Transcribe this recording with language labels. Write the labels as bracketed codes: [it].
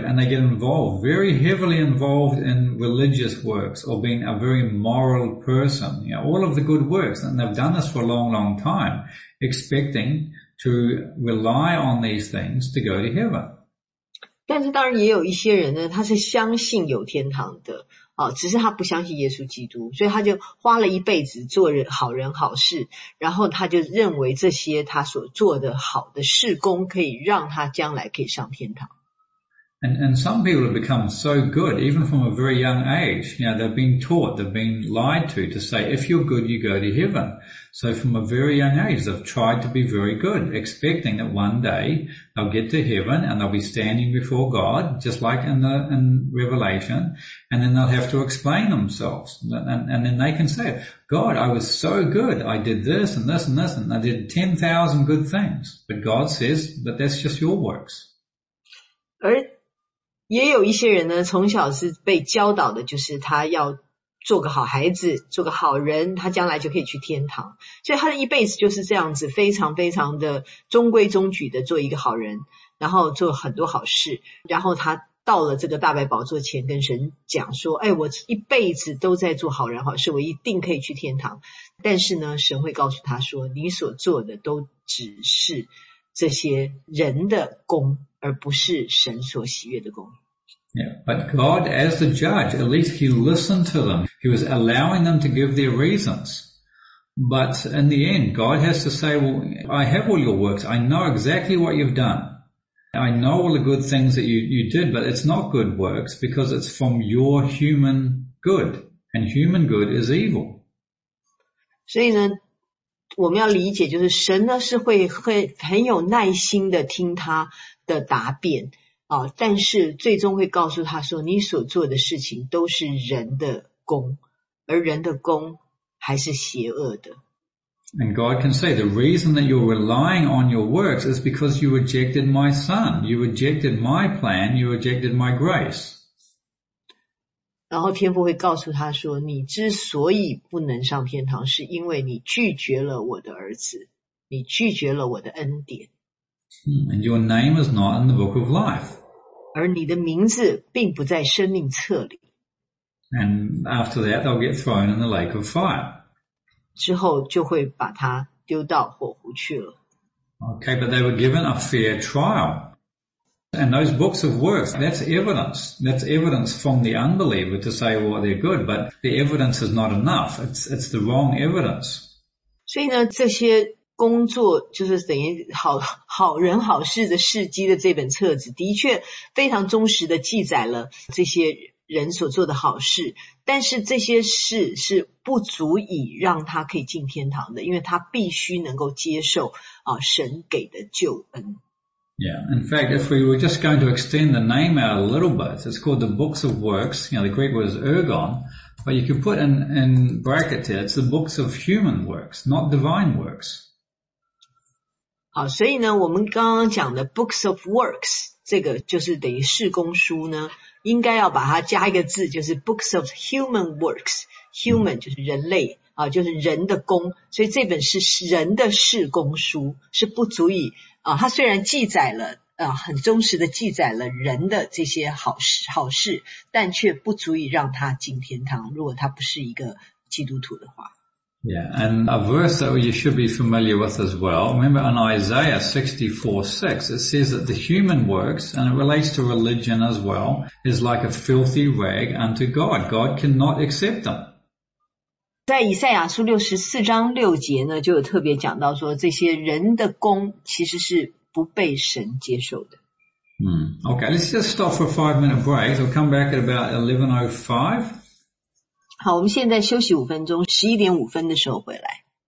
[en] And they get involved, very heavily involved in religious works or being a very moral person. You know, all of the good works. And they've done this for a long, long time, expecting to rely on these things to go to heaven. [zh] 但是当然也有一些人呢，他是相信有天堂的，只是他不相信耶稣基督，所以他就花了一辈子做好人好事，然后他就认为这些他所做的好的事工可以让他将来可以上天堂。 [en] And some people have become so good, even from a very young age. You know, they've been taught, they've been lied to say, if you're good, you go to heaven. So from a very young age, they've tried to be very good, expecting that one day they'll get to heaven and they'll be standing before God, just like in Revelation, and then they'll have to explain themselves. And then they can say, God, I was so good. I did this and this and this, and I did 10,000 good things. But God says, but that's just your works. Earth. [zh] 也有一些人呢，从小是被教导的，就是他要做个好孩子，做个好人，他将来就可以去天堂。所以他的一辈子就是这样子，非常非常的中规中矩的做一个好人，然后做很多好事，然后他到了这个大白宝座前跟神讲说，哎，我一辈子都在做好人好事，我一定可以去天堂。但是呢，神会告诉他说，你所做的都只是这些人的功，而不是神所喜悦的功。 [en] Yeah, but God, as the judge, at least he listened to them. He was allowing them to give their reasons. But in the end, God has to say, well, I have all your works. I know exactly what you've done. I know all the good things that you did, but it's not good works because it's from your human good. And human good is evil. [zh] 所以呢我们要理解，就是神呢是会很有耐心的听他的答辩啊，但是最终会告诉他说，你所做的事情都是人的功，而人的功还是邪恶的。 [en] And God can say the reason that you're relying on your works is because you rejected my son, you rejected my plan, you rejected my grace. [zh] 然后天父会告诉他说，你之所以不能上天堂，是因为你拒绝了我的儿子，你拒绝了我的恩典。 [en] And your name is not in the book of life. [zh] 而你的名字并不在生命册里。 [en] And after that, they'll get thrown in the lake of fire. [zh] 之后就会把它丢到火湖去了。 [en] Okay, but they were given a fair trial. And those books of works, that's evidence. That's evidence from the unbeliever to say, well, they're good. But the evidence is not enough. It's the wrong evidence. [zh] 所以呢，这些工作就是等于好人好事的事迹的这本册子，的确非常忠实的记载了这些人所做的好事，但是这些事是不足以让他可以进天堂的，因为他必须能够接受神给的救恩。 [en] Yeah, in fact, if we were just going to extend the name out a little bit, it's called the Books of Works. You know, the Greek word is ergon, but you can put in brackets here, it's the Books of Human Works, not Divine Works. [zh] 好，所以呢，我们刚刚讲的 [en] books of works [zh] 这个就是等于事工书呢，应该要把它加一个字，就是 [en] Books of Human Works。 [zh] Human 就是人类啊，就是人的工，所以这本是人的事工书，是不足以啊。它虽然记载了很忠实的记载了人的这些好事，但却不足以让他进天堂，如果他不是一个基督徒的话。 [en] Yeah, and a verse that you should be familiar with as well. Remember in Isaiah 64:6, it says that the human works, and it relates to religion as well, is like a filthy rag unto God. God cannot accept them. [zh] 在以赛亚书64:6呢，就有特别讲到说，这些人的工其实是不被神接受的。 [en] Okay, let's just stop for a 5-minute break. We'll come back at about 11:05. [zh] 好，我们现在休息5分钟，11:05的时候回来。